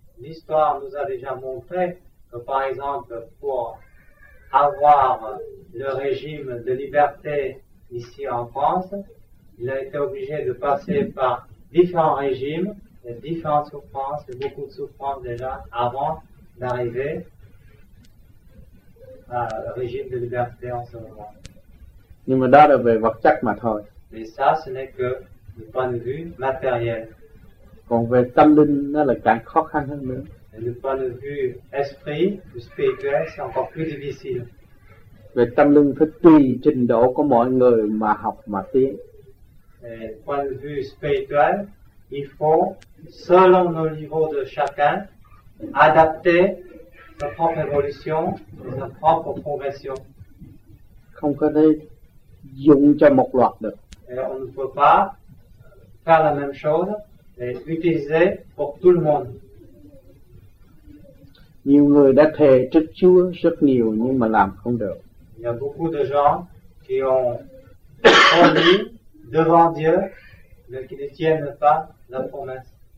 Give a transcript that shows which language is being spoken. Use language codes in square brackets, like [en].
[fr] L'histoire nous a déjà montré que par exemple pour avoir le régime de liberté ici en France, il a été obligé de passer par différents régimes, différentes souffrances, beaucoup de souffrances déjà avant d'arriver régime de liberté en ce moment. [vi] Nhưng mà đó là về vật chất mà thôi. [fr] Mais ça, ce n'est que du point de vue matériel. [vi] Còn về tâm linh, nó là càng khó khăn hơn nữa. [fr] Et du point de vue esprit, du spirituel, c'est encore plus difficile. [vi] Về tâm linh phải tùy trình độ của mọi người mà học mà tiến. [fr] Et du point de vue spirituel, il faut, selon le niveau de chacun, adapter sa propre évolution, sa propre progression. [vi] Không có thể dùng cho một loạt được. [fr] Et on ne peut pas faire la même chose et utiliser pour tout le monde. [vi] Nhiều người đã thề trước Chúa rất nhiều nhưng mà làm không được. [fr] Il y a beaucoup de gens qui ont promis devant Dieu, mais qui ne tiennent pas la promesse.